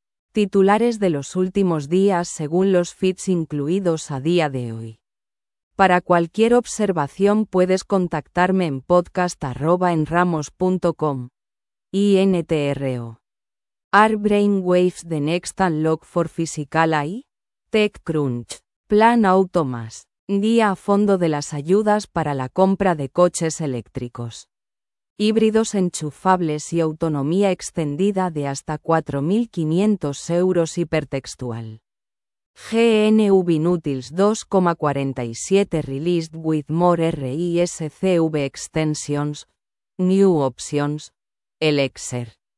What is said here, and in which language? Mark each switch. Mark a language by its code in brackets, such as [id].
[es] Titulares de los últimos días según los fits incluidos a día de hoy. Para cualquier observación puedes contactarme en podcast@enramos.com. INTRO. [en] Are brainwaves the next unlock for physical AI? TechCrunch. Plan Automas. [es] Guía a fondo de las ayudas para la compra de coches eléctricos. Híbridos enchufables y autonomía extendida de hasta 4.500 euros hipertextual. [en] GNU Binutils 2.47 released with more RISC-V extensions, new options, Elixir.